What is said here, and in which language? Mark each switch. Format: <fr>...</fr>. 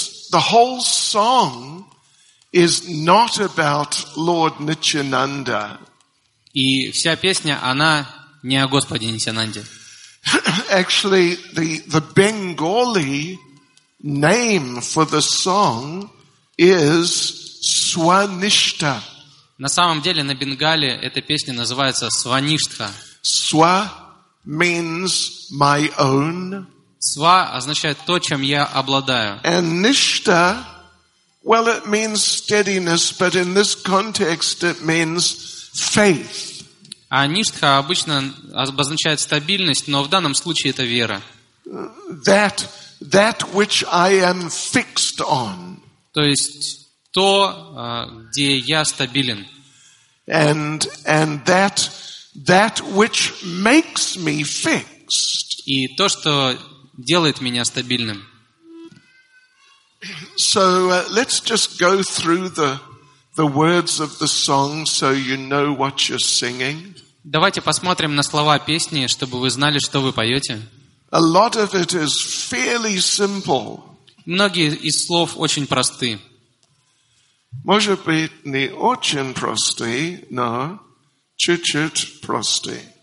<en>The whole song is not about Lord Nityananda.</en> <ru>И вся песня, она не о Господе Нитьянанде.</ru> <en>Actually, the Bengali name for the song is Swanishtha.</en> <ru>На самом деле, на Бенгале эта песня называется Swanishtha.</ru> <en>Swa means my own.</en> <ru>Swa означает то, чем я обладаю.</ru> <en>And Nishtha, well, it means steadiness, but in this context it means faith.</en> <ru>А ништха обычно обозначает стабильность, но в данном случае это вера.</ru> <en>That which I am fixed on.</en> <ru>То есть то, где я стабилен.</ru> <en>And that which makes me fixed.</en> <ru>И то, что делает меня стабильным.</ru> <en>So let's just go through the words of the song so you know what you're singing.</en> <ru>Давайте посмотрим на слова песни, чтобы вы знали, что вы поете.</ru> <en>A lot of it is fairly simple.</en> <ru>Многие из слов очень просты. Может быть, не очень просты, но чуть-чуть просты.</ru>